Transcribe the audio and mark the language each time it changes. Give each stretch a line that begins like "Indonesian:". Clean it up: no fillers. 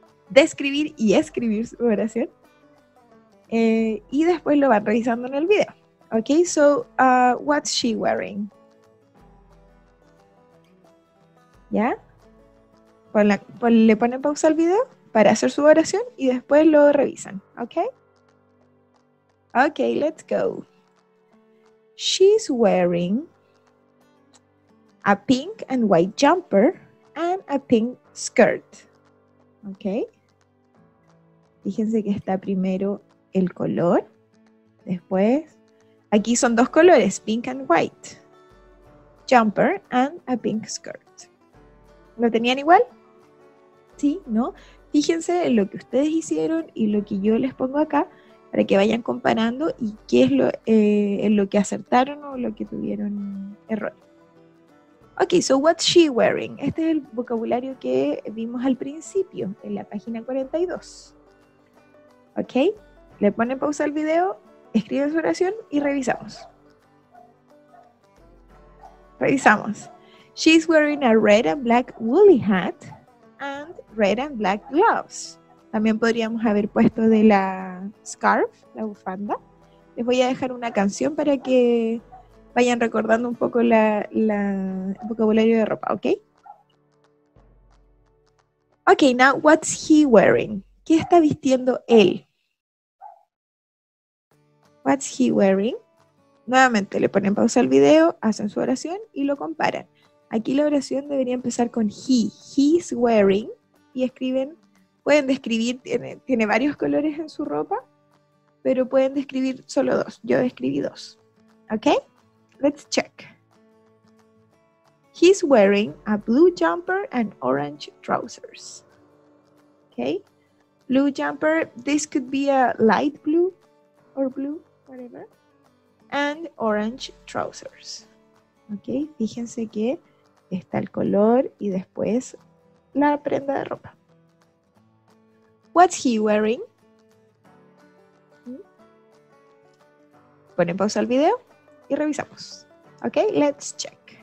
Spanish: Describir y escribir su oración. Y después lo van revisando en el video.
English: Ok, so, what's she wearing?
Spanish: ¿Ya? Le ponen pausa al video para hacer su oración y después lo revisan.
English: Ok. Ok, let's go. She's wearing a pink and white jumper and a pink skirt.
Spanish: Ok. Fíjense que está primero el color, después, aquí son dos colores,
English: pink and white, jumper and a pink skirt.
Spanish: ¿Lo tenían igual? Sí, ¿no? Fíjense en lo que ustedes hicieron y lo que yo les pongo acá para que vayan comparando y qué es lo que acertaron o lo que tuvieron error.
English: Ok, so what's she wearing?
Spanish: Este es el vocabulario que vimos al principio en la página 42. ¿Ok? Le ponen pausa al video, escriben su oración y revisamos. Revisamos.
English: She's wearing a red and black woolly hat and red and black gloves.
Spanish: También podríamos haber puesto de la scarf, la bufanda. Les voy a dejar una canción para que vayan recordando un poco la vocabulario de ropa, ¿ok?
English: Ok, now what's he wearing?
Spanish: ¿Qué está vistiendo él?
English: What's he wearing?
Spanish: Nuevamente le ponen pausa al video, hacen su oración y lo comparan. Aquí la oración debería empezar con he.
English: He's wearing.
Spanish: Y escriben, pueden describir, tiene varios colores en su ropa, pero pueden describir solo dos. Yo describí dos. ¿Ok?
English: Let's check. He's wearing a blue jumper and orange trousers. ¿Ok? Blue jumper, this could be a light blue or blue. Whatever. And orange trousers.
Spanish: Ok, fíjense que está el color y después la prenda de ropa.
English: What's he wearing?
Spanish: Ponen pausa al video y revisamos. Ok,
English: let's check.